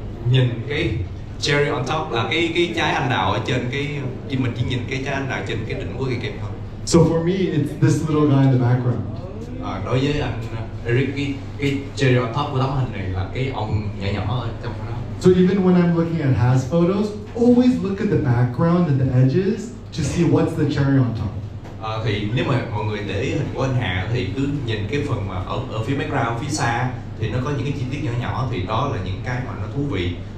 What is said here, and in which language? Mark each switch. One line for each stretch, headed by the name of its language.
Vietnamese: Nhìn cái cherry on top là cái trái anh đào ở trên cái mình chỉ nhìn cái trái anh đào trên cái đỉnh của cái kem thôi.
English: So for me, it's this little guy in the background.
Vietnamese: Đối với anh Eric, cái cherry on top của tấm hình này là cái ông nhỏ nhỏ ở trong đó.
English: So even when I'm looking at Has photos, always look at the background and the edges to see what's the cherry on top.
Vietnamese: Thì nếu mà mọi người để hình của anh Hà thì cứ nhìn cái phần mà ở phía background, phía xa thì nó có những cái chi tiết nhỏ nhỏ thì đó là những cái mà nó thú vị.